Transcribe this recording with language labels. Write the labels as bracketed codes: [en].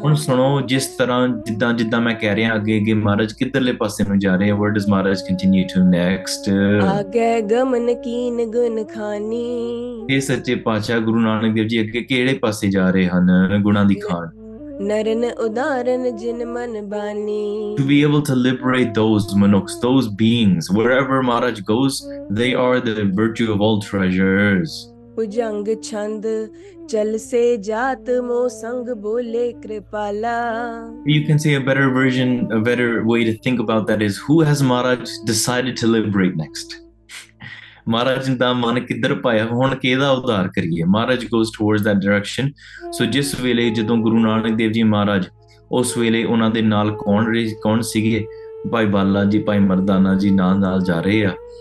[pa] ਹੁਣ ਸੁਣੋ, ਜਿਸ ਤਰ੍ਹਾਂ ਜਿੱਦਾਂ ਜਿੱਦਾਂ ਮੈਂ ਕਹਿ ਰਿਹਾ, ਅੱਗੇ ਅੱਗੇ ਮਹਾਰਾਜ ਕਿੱਧਰਲੇ ਪਾਸੇ ਨੂੰ ਜਾ ਰਹੇ ਆ, [en] Word is Maharaj continue to next. [bra] ਆਗੇ ਗਮਨ ਕੀਨ ਗੁਣ ਖਾਨੀ। [pa] ਇਹ ਸੱਚੇ ਪਾਤਸ਼ਾਹ ਗੁਰੂ ਨਾਨਕ ਦੇਵ ਜੀ ਅੱਗੇ ਕਿਹੜੇ ਪਾਸੇ ਜਾ ਰਹੇ ਹਨ, ਗੁਣਾਂ ਦੀ ਖਾਣ। [bra] ਨਰਨ ਉਦਾਰਨ ਜਿਨ ਮਨ ਬਾਨੀ। [en] To be able to liberate those monks, those beings, wherever Maharaj goes, they are the virtue of all treasures. [bra] ਭੁਜੰਗ ਛੰਦ ਚਲਸੇ ਜਾਤ ਮੋ ਸੰਗ ਬੋਲੇ ਕ੍ਰਿਪਾਲਾ। [en] You can say a better version, a better way to think about that is, who has Maharaj decided to liberate next? [pa] ਮਹਾਰਾਜ ਦਾ ਮਨ ਕਿੱਧਰ ਪਾਇਆ, ਹੁਣ ਕਿਹਦਾ ਉਧਾਰ ਕਰੀਏ? ਮਹਾਰਾਜ [en] Goes towards that direction. [pa] ਸੋ ਜਿਸ ਵੇਲੇ ਜਦੋਂ ਗੁਰੂ ਨਾਨਕ ਦੇਵ ਜੀ ਮਹਾਰਾਜ, ਉਸ ਵੇਲੇ ਉਹਨਾਂ ਦੇ ਨਾਲ ਕੌਣ ਸੀਗੇ? ਭਾਈ ਬਾਲਾ ਜੀ, ਭਾਈ ਮਰਦਾਨਾ ਜੀ ਨਾਲ ਜਾ ਰਹੇ ਆ।